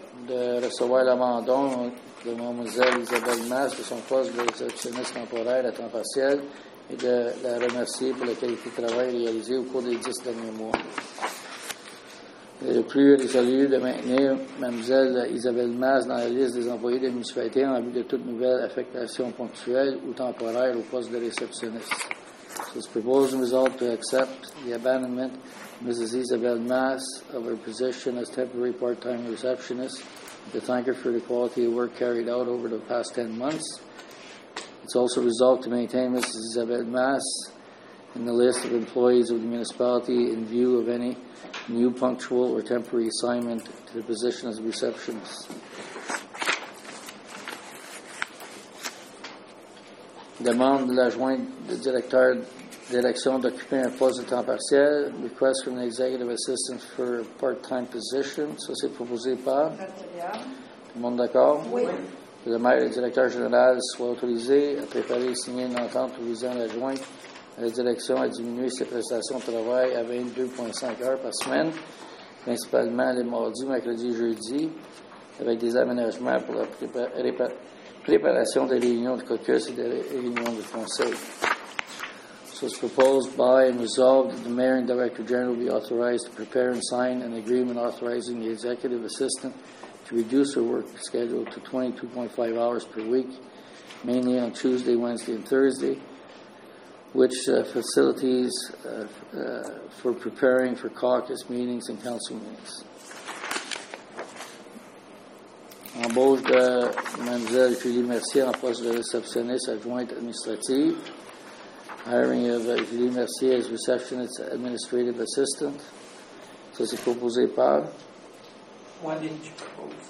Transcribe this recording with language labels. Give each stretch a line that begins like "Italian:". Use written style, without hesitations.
French: De recevoir l'abandon de Mlle Isabelle Mass de son poste de réceptionniste temporaire à temps partiel et de la remercier pour la qualité de travail réalisée au cours des 10 derniers mois. Il est plus résolu de maintenir Mlle Isabelle Mass dans la liste des employés de la municipalité en vue de toute nouvelle affectation ponctuelle ou temporaire au poste de réceptionniste.
English: So it's proposed and resolved to accept the abandonment of Mrs. Isabelle Mass of her position as temporary part-time receptionist to thank her for the quality of work carried out over the past 10 months. It's also resolved to maintain Mrs. Isabelle Mass in the list of employees of the municipality in view of any new punctual or temporary assignment to the position as a receptionist.
French: Demande de l'adjoint de directeur d'élection d'occuper un poste de temps partiel.
English: Request from the executive assistant for a part-time position.
French: Ça, c'est proposé par. Tout le monde d'accord? Oui. Que le maire et le directeur général soient autorisés à préparer et signer une entente visant l'adjoint. La direction a diminué ses prestations de travail à 22,5 heures par semaine, principalement les mardis, mercredis et jeudis, avec des aménagements pour la préparation des réunions de caucus et des réunions de conseil.
English: So it's proposed by and resolved that the mayor and director general be authorized to prepare and sign an agreement authorizing the executive assistant to reduce her work schedule to 22.5 hours per week, mainly on Tuesday, Wednesday and Thursday, which facilities for preparing for caucus meetings and council meetings.
French: Embauche de Mlle Julie Mercier en poste de réceptionniste adjointe administrative.
English: Hiring of Julie Mercier as receptionist administrative assistant.
French: Ça, c'est proposé par. Je vais le proposer. Moi, Denis, je propose.